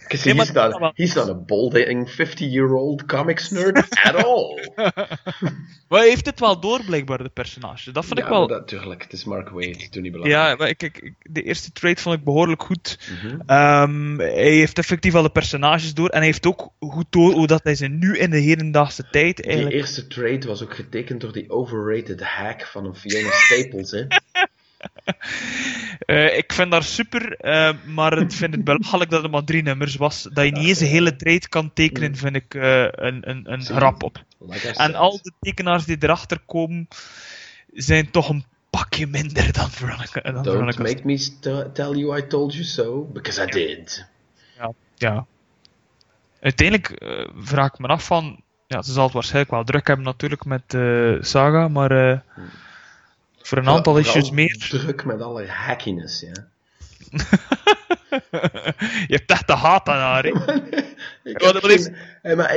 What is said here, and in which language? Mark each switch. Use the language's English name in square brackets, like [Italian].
[English] Because he's, he's not a balding 50-year-old comics nerd at all. [Dutch] Maar hij heeft het wel door, blijkbaar, de personage. Dat vind ik wel... Ja, natuurlijk. Het is Mark Waid. Doe niet belangrijk. Ja, maar ik, de eerste trade vond ik behoorlijk goed. Mm-hmm. Hij heeft effectief al de personages door. En hij heeft ook goed door hoe dat hij ze nu in de hedendaagse tijd eigenlijk... Die eerste trade was ook getekend door die overrated hack van een Fiona Staples, hè. Ik vind dat super, maar ik vind het belachelijk dat het maar drie nummers was. Dat je niet eens een hele trade kan tekenen, vind ik een grap op. [English] Like [Dutch] en al de tekenaars die erachter komen, zijn toch een pakje minder dan Veronica. [English] Don't make me tell you I told you so, because I did. [Dutch] Ja, ja. Uiteindelijk vraag ik me af van... Ja, ze zal het waarschijnlijk wel druk hebben natuurlijk met Saga, maar voor een aantal issues meer... Druk met alle hackiness, ja. Je hebt echt de haat aan haar, hè.